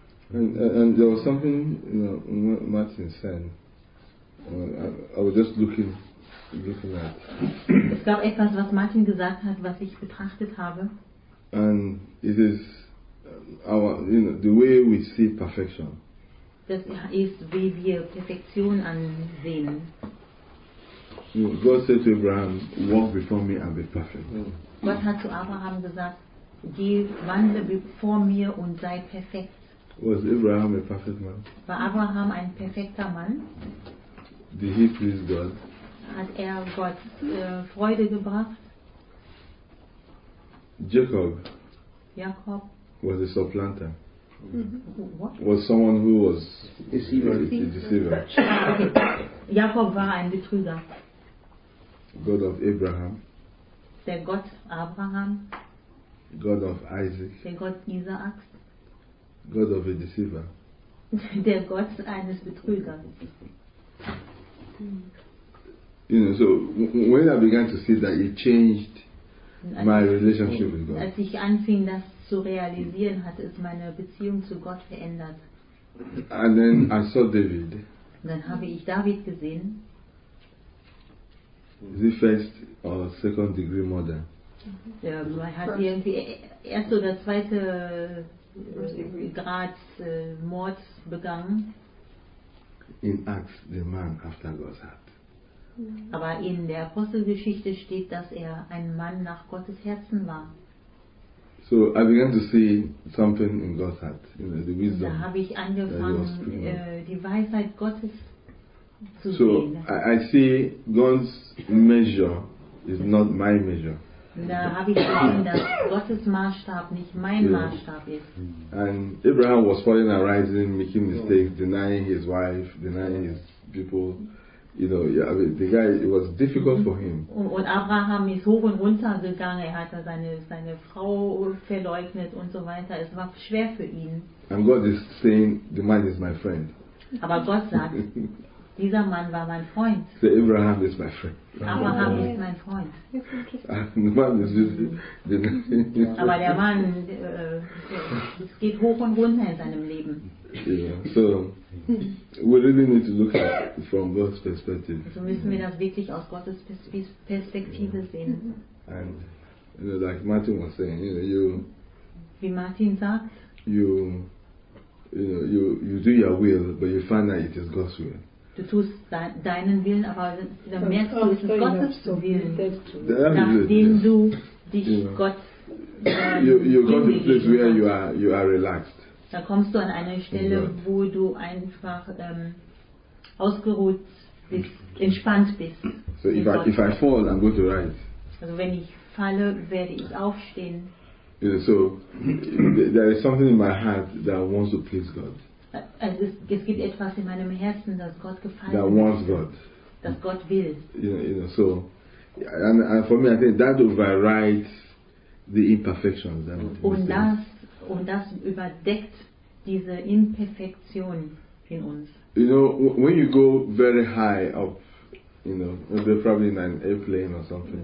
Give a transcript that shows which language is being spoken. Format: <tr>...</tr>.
<en>And there was something, you know, Martin said. I was just looking at.</en> <de>Es gab etwas, was Martin gesagt hat, was ich betrachtet habe.</de> <en>And it is our, you know, the way we see perfection.</en> <de>Das ist, wie wir Perfektion ansehen.</de> <en>God said to Abraham, "Walk before me and be perfect."</en> <de>Gott hat zu Abraham gesagt, geh, wandle vor mir und sei perfekt.</de> <en>Was Abraham a perfect man?</en> <de>War Abraham ein perfekter Mann?</de> <en>Did he please God?</en> <de>Hat Gott Freude gebracht?</de> <en>Jacob. Was a supplanter. What? Was someone who was a deceiver.</en> <de>Okay. Jacob war ein Betrüger.</de> <en>God of Abraham.</en> <de>Der Gott Abraham.</de> <en>God of Isaac.</en> <de>Der Gott Isaaks.</de> <en>God of a deceiver.</en> <de>Der Gott eines Betrügers.</de> <en>You know, so when I began to see that, it changed my relationship with God.</en> <de>Als ich anfing, das zu realisieren, hat es meine Beziehung zu Gott verändert.</de> <en>And then I saw David.</en> <de>Dann habe ich David gesehen.</de> <en>The first or second degree murder.</en> <de>Ja, man hat irgendwie erst oder zweite Grad Mord begangen.</de> <en>In Acts, the man after God's heart.</en> <de>Aber in der Apostelgeschichte steht, dass ein Mann nach Gottes Herzen war.</de> <en>So I began to see something in God's heart, you know, the wisdom.</en> <de>Da habe ich angefangen, die Weisheit Gottes zu sehen.</de> <en>So I see God's measure is not my measure.</en> <de>Da habe ich gesehen, dass Gottes Maßstab nicht mein Maßstab ist.</de> <en>And Abraham was falling and rising, making mistakes, denying his wife, denying his people. You know, yeah, I mean, the guy, it was difficult for him.</en> <de>Und Abraham ist hoch und runter gegangen, er hat seine Frau verleugnet und so weiter. Es war schwer für ihn.</de> <en>And God is saying, the man is my friend.</en> <de>Aber Gott sagt, dieser Mann war mein Freund.</de> <en>So Abraham is my friend.</en> <de>Abraham ist mein Freund.</de> <en>The man is just,</en> <de>Aber der Mann, es geht hoch und runter in seinem Leben.</de> <en>Yeah. So, we really need to look at it from God's perspective.</en> <de>So müssen wir das wirklich aus Gottes Perspektive sehen.</de> <en>And, you know, like Martin was saying, you know,</en> <de>Wie Martin sagt.</de> <en>You do your will, but you find that it is God's will.</en> <de>Du tust deinen Willen, aber dann merkst du, es ist Gottes Willen, nachdem du dich Gott</de> <en>you go to a place where you are relaxed.</en> <de>Da kommst du an eine Stelle, wo du einfach ausgeruht bist, entspannt bist.</de> <en>So if I fall, I'm going to rise.</en> <de>Also wenn ich falle, werde ich aufstehen.</de> <en>You know, so there is something in my heart that wants to please God.</en> <de>Also es gibt etwas in meinem Herzen, das Gott gefallen</de> <en>will. That wants God.</en> <de>Das Gott will.</de> <en>You know, so, and for me, I think that overrides the imperfections.</en> <de>Und das Und das überdeckt diese Imperfektion in uns.</de> <en>You know, when you go very high up, you know, maybe probably in an airplane or something.</en>